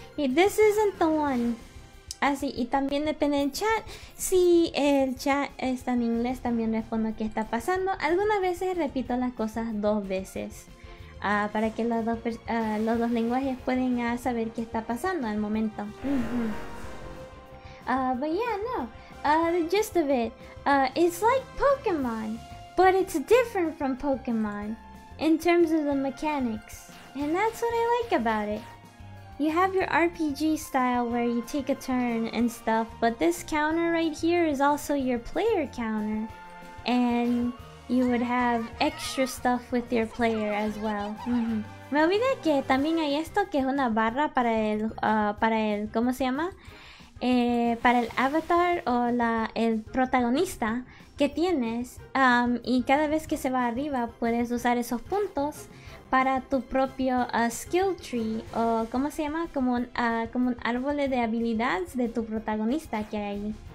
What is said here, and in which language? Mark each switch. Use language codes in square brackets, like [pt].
[en] This isn't the one. [es] Así, y también depende del chat. Si el chat está en inglés, también respondo qué está pasando. Algunas veces repito las cosas dos veces. Para que los dos lenguajes puedan saber qué está pasando al momento. [en] But yeah, no. The gist of it. It's like Pokemon, but it's different from Pokemon in terms of the mechanics. And that's what I like about it. You have your RPG style where you take a turn and stuff, but this counter right here is also your player counter. And you would have extra stuff with your player as well. [es] Me olvidé que también hay esto que es una barra para el, ¿cómo se llama? Para el avatar o el protagonista que tienes, y cada vez que se va arriba puedes usar esos puntos para tu propio skill tree o cómo se llama, como un árbol de habilidades de tu protagonista que hay ahí.